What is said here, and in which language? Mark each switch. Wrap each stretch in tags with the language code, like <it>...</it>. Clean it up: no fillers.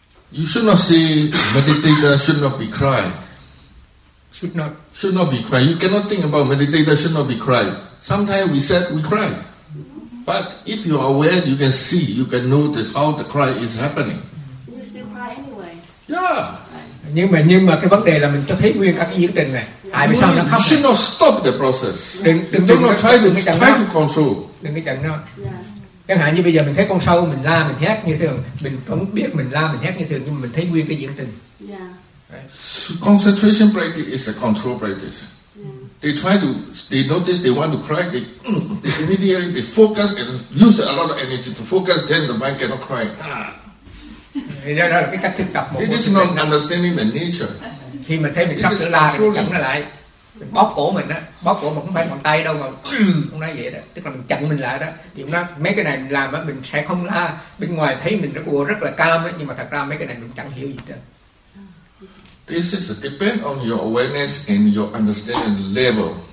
<en>You should not say meditator should not be cry. Should not be cry. You cannot think about meditator should not be cry. Sometimes we said we cry. But if you are aware, you can see, you can know that how the cry is happening. You still cry anyway. Yeah.</en> <vi>Nhưng mà cái vấn đề là mình cho thấy nguyên các cái diễn tình này. Tại vì sao nó khóc?</vi> <en>You should not stop the process.</en> <vi>Đừng</vi> <en>try to control.</en> <vi>Đừng cái trận nó.</vi> <en>Yeah.</en> <vi>Chẳng hạn như bây giờ mình thấy con sâu, mình la, mình hét như thường. Mình vẫn biết mình la, mình hét như thường, nhưng mà mình thấy nguyên cái diễn tình.</vi> <en>Yeah. Right. Concentration practice is a control practice. Yeah. They notice they want to cry, they immediately they focus and use a lot of energy to focus, then the mind cannot cry. It is not understanding the nature.</en> <vi>Khi mà thấy mình sắp sửa la thì chặn nó lại, mình bóp cổ mình á, bóp cổ mà không phải bằng tay đâu mà không nói vậy đó, tức là mình chặn mình lại đó. Thì ông nói mấy cái này mình làm á, mình sẽ không la. Bên ngoài thấy mình rất là calm á, nhưng mà thật ra mấy cái này mình chẳng hiểu gì hết.</vi> <en>This is depend on your awareness and your understanding level.</en>